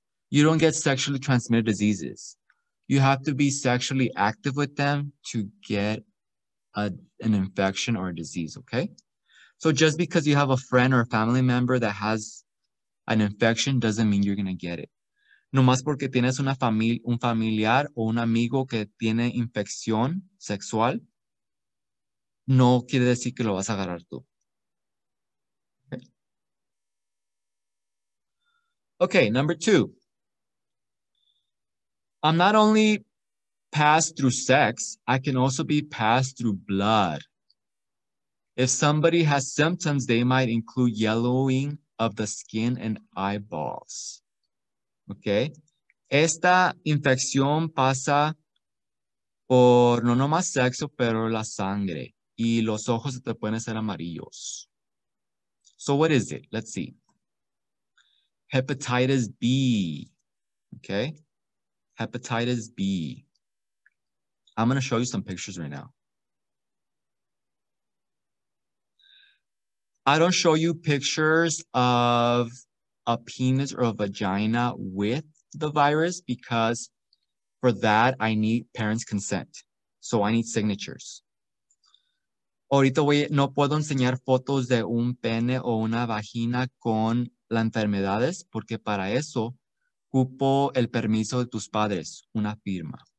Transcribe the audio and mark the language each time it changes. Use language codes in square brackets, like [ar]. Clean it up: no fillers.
[en] You don't get sexually transmitted diseases. You have to be sexually active with them to get an infection or a disease, okay? So just because you have a friend or a family member that has an infection doesn't mean you're going to get it. [es] Nomás porque tienes un familiar o un amigo que tiene infección sexual, no quiere decir que lo vas a agarrar tú. Okay. [en] Okay, number two. I'm not only passed through sex, I can also be passed through blood. If somebody has symptoms, they might include yellowing of the skin and eyeballs. Okay. [es] Esta infección pasa por no nomás sexo, pero la sangre. Y los ojos se te pueden ser amarillos. [en] So what is it? Let's see. Hepatitis B. Okay. Hepatitis B. I'm going to show you some pictures right now. I don't show you pictures of a penis or a vagina with the virus because for that, I need parents' consent. So I need signatures. [es] Ahorita voy, no puedo enseñar fotos de un pene o una vagina con las enfermedades porque para eso ocupo el permiso de tus padres, una firma.